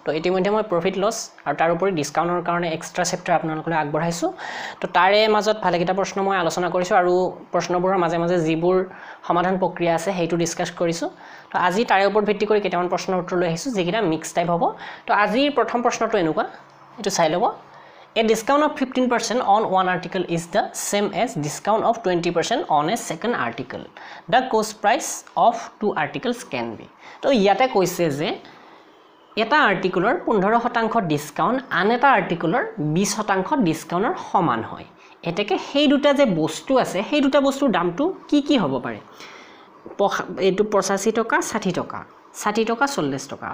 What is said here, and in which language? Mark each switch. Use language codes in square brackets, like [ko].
[as] তো ইতিমধ্যে মই প্ৰফিট লছ আৰু তাৰোপৰি ডিছকাউণ্টৰ কাৰণে এক্সট্ৰা চেপ্টাৰ আপোনালোকলৈ আগবঢ়াইছোঁ। তো তাৰে মাজত ভালেকেইটা প্ৰশ্ন মই আলোচনা কৰিছোঁ আৰু প্ৰশ্নবোৰৰ মাজে মাজে যিবোৰ সমাধান প্ৰক্ৰিয়া আছে সেইটো ডিছকাছ কৰিছোঁ। তো আজি তাৰে ওপৰত ভিত্তি কৰি কেইটামান প্ৰশ্ন উত্তৰ লৈ আহিছোঁ, যিকেইটা মিক্স টাইপ হ'ব। তো আজিৰ প্ৰথম প্ৰশ্নটো এনেকুৱা, এইটো চাই ল'ব। [en] A discount of 15% on one article is the same as discount of 20% on a second article. The cost price of two articles can be. [as] So, ইয়াতে কৈছে যে এটা আৰ্টিকলৰ 15% ডিছকাউণ্ট আন এটা আৰ্টিকলৰ 20% ডিছকাউণ্টৰ সমান হয়। এতেকে সেই দুটা যে বস্তু আছে সেই দুটা বস্তুৰ দামটো কি কি হ'ব পাৰে? এইটো 85 টকা, 60 টকা, 60 টকা, 40 টকা।